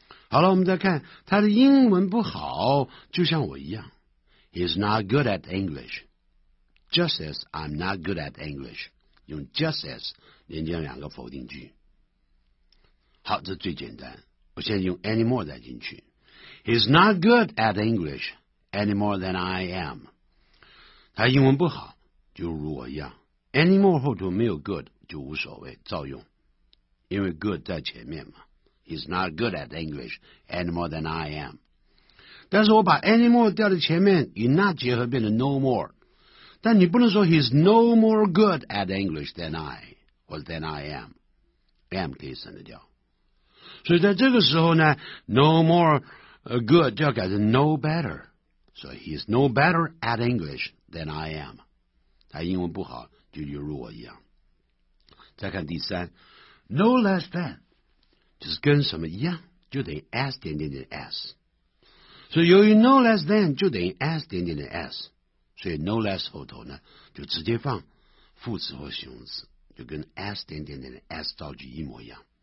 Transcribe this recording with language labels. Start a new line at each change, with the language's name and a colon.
Chinese: 好了，我们再看他的英文不好，就像我一样。
English: He is not good at English just as I'm not good at English，
Chinese: 用 just as 连接两个否定句。好，这最简单，我现在用 any more 再进去。
English: He is not good at English any more than I am，
Chinese: 他英文不好就如我一样。Anymore 后头没有 good 就无所谓，照用，因为 good 在前面嘛。
English: He's not good at English any more than I am.
Chinese: 但是我把 any more 掉在前面，与 not 结合变成 no more。但你不能说
English: he's no more good at English than I or than I am.
Chinese: Am 可以省得掉。所以在这个时候呢 ，no more good 就要改成 no better。
English: So he's no better at English than I am.
Chinese: 他英文不好，就如我一样。再看第三 ，no less than。就是跟什么一样，就等于 s 点点点 s， 所以由于 no less than 就等于 s 点点点 s， 所以 no less 后头呢就直接放副词或形容词，就跟 s 点点点的 s 造句一模一样。